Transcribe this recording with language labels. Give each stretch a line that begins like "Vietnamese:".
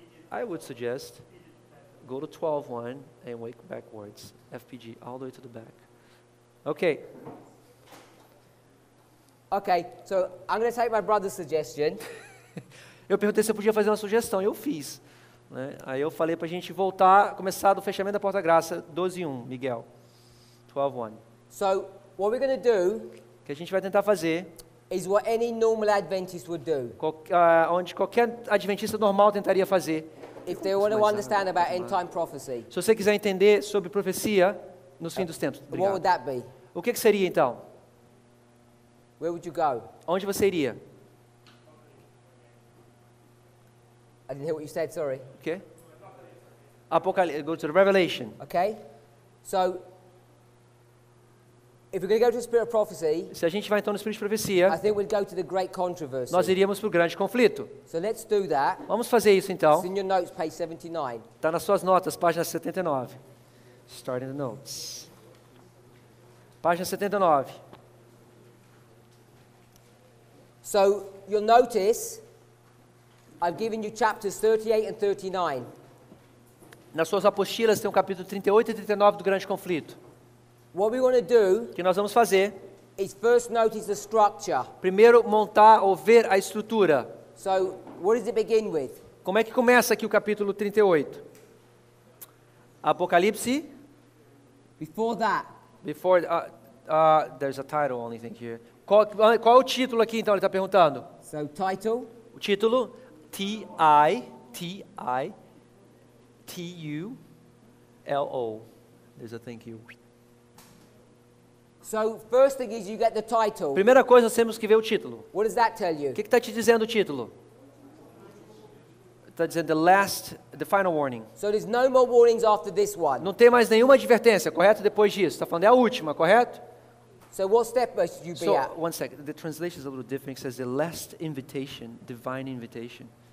English: I would suggest go to 12:1 and wake backwards. FPG, all the way to the back. Okay. Okay, so I'm going to take my brother's suggestion.
Portuguese: Eu perguntei se eu podia fazer uma sugestão, eu fiz. Né? Aí eu falei para a gente voltar, começar do fechamento da porta graça, 12:1, Miguel. 12:1.
English: So, what we're going to do...
Portuguese: que a gente vai tentar fazer...
English: is what any normal Adventist would do.
Portuguese: Onde qualquer Adventista normal tentaria fazer.
English: If they want to understand about end time prophecy.
Portuguese: Se você quiser entender sobre profecia no fim dos tempos.
English: What would that be?
Portuguese: O que seria então?
English: Where would you go?
Portuguese: Onde você iria?
English: I didn't hear what you said, sorry. Okay. Apocalypse, go to the Revelation. Okay. So, if we're going to go to the Spirit of Prophecy,
Portuguese: se a gente vai então no Espírito de Profecia,
English: I think we'd go to the Great Controversy.
Portuguese: Nós iríamos para o Grande Conflito.
English: So let's do that.
Portuguese: Vamos fazer isso então.
English: It's in your notes, page 79.
Portuguese: Tá nas suas notas, página 79.
English: Starting the notes.
Portuguese: Página 79.
English: So you'll notice I've given you chapters 38 and 39.
Portuguese: Nas suas apostilas tem o capítulo 38 e 39 do Grande Conflito.
English: What we want to do?
Portuguese: Que nós vamos fazer?
English: Is first notice the structure.
Portuguese: Primeiro montar ou ver a estrutura.
English: So what does it begin with?
Portuguese: Como é que começa aqui o capítulo 38? Apocalipse.
English: Before that. Before there's a title only thing here.
Portuguese: Qual é o título aqui, então, ele está perguntando?
English: So, title.
Portuguese: O título, T-I-T-I-T-U-L-O.
English: There's a thank you. So, first thing is you get the title.
Portuguese: Primeira coisa, nós temos que ver o título.
English: What does that tell you?
Portuguese: O que está te dizendo o título? Está dizendo
English: the final warning. So, there's no more warnings after this one.
Portuguese: Não tem mais nenhuma advertência, correto? Depois disso, está falando, é a última, correto?
English: So what step must you be at? One second. The translation is a little different. It says the last invitation, divine invitation.